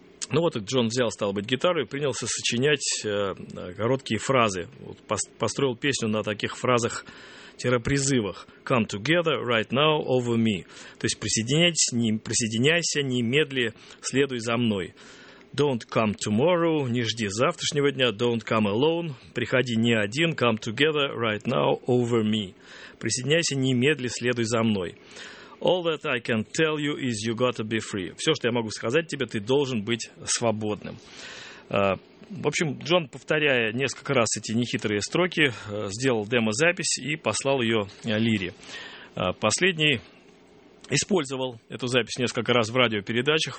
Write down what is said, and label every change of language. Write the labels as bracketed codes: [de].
[ru] Ну вот Джон взял, стало быть, гитару и принялся сочинять короткие фразы. Вот построил песню на таких фразах-призывах. [en] «Come together right now over me». [ru] То есть «присоединяйся немедли, следуй за мной». [en] «Don't come tomorrow», [ru] «не жди завтрашнего дня», [en] «don't come alone», [ru] «приходи не один», [en] «come together right now over me». [ru] «Присоединяйся немедли, следуй за мной». [en] All that I can tell you is you gotta be free. [ru] Все, что я могу сказать тебе, ты должен быть свободным. В общем, Джон, повторяя несколько раз эти нехитрые строки, сделал демозапись и послал ее Лире. Последний использовал эту запись несколько раз в радиопередачах.